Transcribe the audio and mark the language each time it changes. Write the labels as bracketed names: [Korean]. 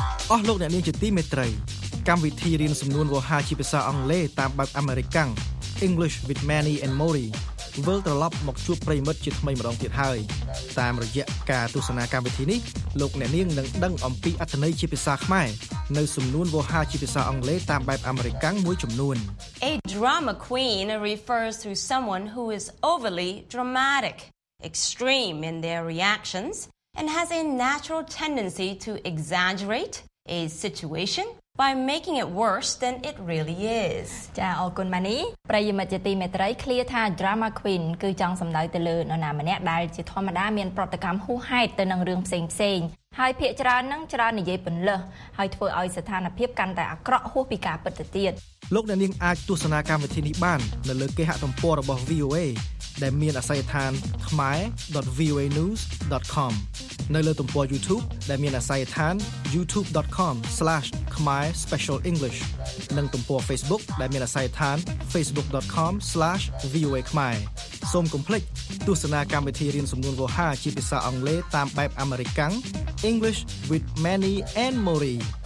[Khmer] អស់លោកអ្នកនាងជាទីមេត្រីកម្មវិធីរៀនសំនួនវោហារជាភាសាអង់គ្លេសតាមបែបអាមេរិកាំង English with Manny and Mori វិលត្រឡប់មកជួបប្រិមិត្តជាថ្មីម្ដងទៀតហើយតាមរយៈការទស្សនាកម្មវិធីនេះលោកអ្នកនាងនឹងដឹងអំពីអត្ថន័យជាភាសាខ្មែរនៅសំនួនវោហារជាភាសាអង់គ្លេសតាមបែបអាមេរិកាំងមួយចំនួន [English] A drama queen refers to someone who is overly dramatic extreme in their reactions and has a natural tendency to exaggerateA situation by making it worse than it really is. [Khmer] ចាអរគុណម៉ានីប្រិយមិត្តជាទីមេត្រីឃ្លាថា drama queen គឺចង់សម្ដៅទៅលើនរណាម្នាក់ដែលជាធម្មតាមានប្រតិកម្មហួសហេតុទៅនឹងរឿងផ្សេងៗហើយភាកច្រើននឹងច្រើននិយាយពន្លើសហើយធ្វើឲ្យស្ថានភាពកាន់តែអាក្រក់ហួសពីការពិតទៅទៀត លោកអ្នកនាងអាចទស្សនាកម្មវិធីនេះបាននៅលើគេហទំព័ររបស់ VOA ដែលមានអាសយដ្ឋាន khmer.voanews.com នៅលើទំព័រ YouTube ដែលមានអាសយដ្ឋាន youtube.com/khmerspecialenglish និងទំព័រ Facebook ដែលមានអាសយដ្ឋាន facebook.com/voakhmer សូមកុំភ្លេចទស្សនាកម្មវិធីរៀនសំនួនវោហារជាភាសាអង់គ្លេសតាមបែបអាមេរិកាំង English with Manny and Mori